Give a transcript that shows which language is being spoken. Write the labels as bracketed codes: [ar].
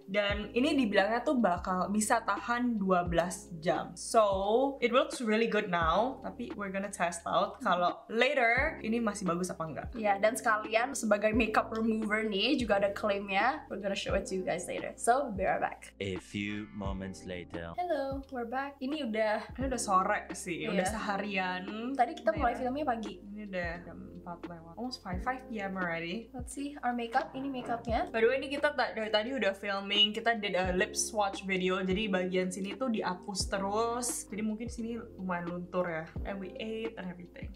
[id] Dan ini dibilangnya tuh bakal bisa tahan 12 jam. [en] So, it looks really good now. [id] Tapi [en] we're gonna test out [id] kalau later ini masih bagus apa enggak. Iya, dan sekalian sebagai makeup remover nih juga ada klaimnya. [en] We're gonna show it to you guys later. So, be right back. A few moments later. Hello, we're back. [id] Ini udah sore sih, udah seharian. Tadi kita mulai filmnya pagi. Ini udah jam 4 lewat. [en] Almost 5 PM already. Let's see our makeup. [id] Ini makeupnya. [en] By the way, [id] ini kita dari tadi udah filming. Kita [en] did a lip swatch video. [id] Jadi bagian sini tuh dihapus terus. Jadi mungkin sini lumayan luntur ya. [en] And we ate and everything.